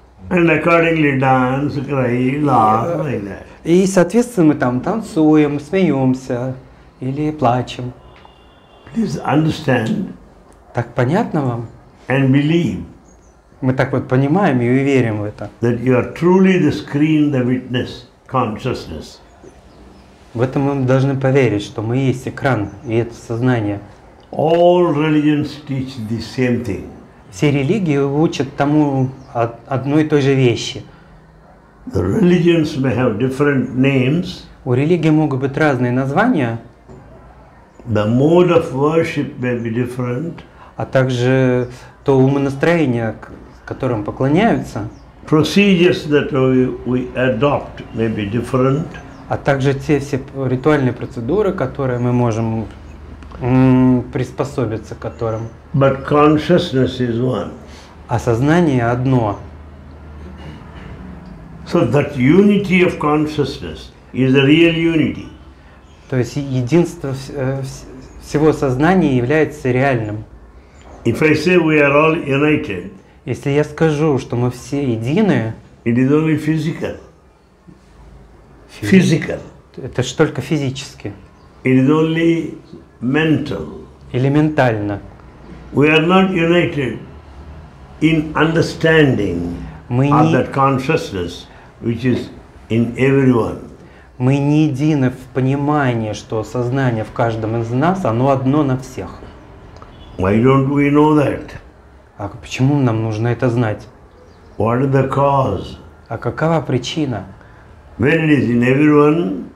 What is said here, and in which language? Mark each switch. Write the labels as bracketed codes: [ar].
[en] And accordingly dance, cry, laugh, like that. [ru] И, соответственно, мы там танцуем, смеемся или плачем. [en] Please understand. [ru] Так понятно вам? [en] And believe. [ru] Мы так вот понимаем и верим в это. [en] That you are truly the screen, the witness, consciousness. [ru] В этом мы должны поверить, что мы есть экран и это сознание. [en] All religions teach the same thing. [ru] Все религии учат тому одной и той же вещи. [en] The religions may have different names. [ru] У религии могут быть разные названия. [en] The mode of worship may be different. [ru] А также то умонастроение, которым поклоняются. [en] Procedures that we adopt may be different. [ru] А также те все ритуальные процедуры, которые мы можем приспособиться к которым. [en] But consciousness is one. [ru] А сознание одно. [en] So that unity of consciousness is a real unity. [ru] То есть единство всего сознания является реальным. [en] If I say we are all united, [ru] если я скажу, что мы все едины, [en] it is only physical. Physical. [ru] Это же только физически. [en] It is only mental. [ru] Или ментально. [en] We are not united in understanding of that consciousness which is in everyone. [ru] Мы не едины в понимании, что сознание в каждом из нас, оно одно на всех. [en] Why don't we know that? [ru] А почему нам нужно это знать? [en] What is the cause? [ru] А какова причина? [en] When it is in everyone?